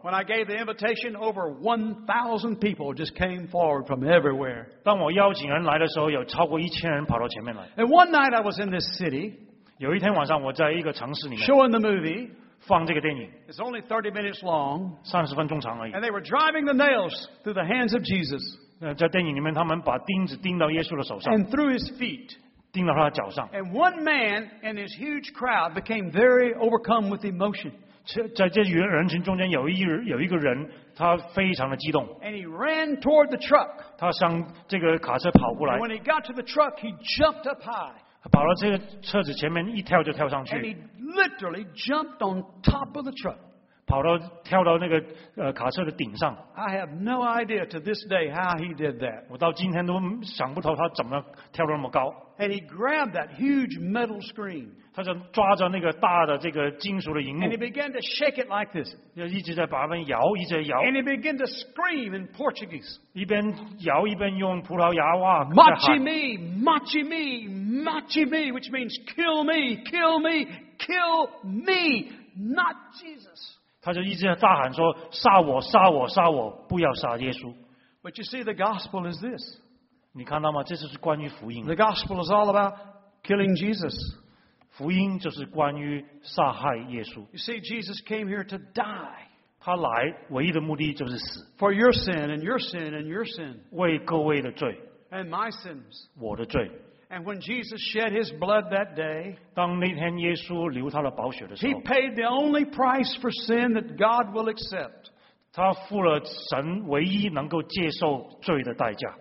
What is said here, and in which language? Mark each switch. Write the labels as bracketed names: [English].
[English] When I gave the invitation, over 1,000 people just came forward from everywhere. [Chinese] 当我邀请人来的时候，有超过1,000人跑到前面来。 [English] And one night I was in this city. [Chinese] 有一天晚上，我在一个城市里面。 [English] Showing the movie. [Chinese] 放这个电影 [English] It's only 30 minutes long. [Chinese] 30分钟长而已 [English] And they were driving the nails through the hands of Jesus. [Chinese] 在电影里面，他们把钉子钉到耶稣的手上 [English] And through his feet. [Chinese] 钉到他的脚上 [English] And one man in his huge crowd became very overcome with emotion. [Chinese] 在这人群中间有一个人，他非常的激动 [English] And he ran toward the truck. [Chinese] 他向这个卡车跑过来 [English] When he got to the truck, he jumped up high. [Chinese] 跑到这个车子前面一跳就跳上去 [English] And he literally jumped on top of the truck. [Chinese] 跳到那个卡车的顶上 [English] I have no idea to this day how he did that. [Chinese] 我到今天都想不透他怎么跳那么高 [English] And he grabbed that huge metal screen. [Chinese] 他就抓着那个大的这个金属的荧幕 [English] And he began to shake it like this. [Chinese] 就一直在把它们摇一直摇 [English] And he began to scream in Portuguese. [Chinese] 一边摇一边用葡萄牙话 [Portuguese] Machi me, machi me,Machi me, [English] which means kill me, kill me, kill me, not Jesus. [Chinese] 他就一直在大喊说杀我杀我杀我不要杀耶稣。 [English] But you see, the gospel is this. [Chinese] 你看到吗？这就是关于福音。 [English] The gospel is all about killing Jesus. [Chinese] 福音就是关于杀害耶稣。 [English] You see, Jesus came here to die. [Chinese] 他来唯一的目的就是死。 [English] For your sin and your sin and your sin. [Chinese] 为各位的罪。 [English] And my sins. [Chinese] 我的罪。 [English] And when Jesus shed his blood that day, [Chinese] 当那天耶稣流他的宝血的时候 [English] he paid the only price for sin that God will accept. [Chinese] 他付了神唯一能够接受罪的代价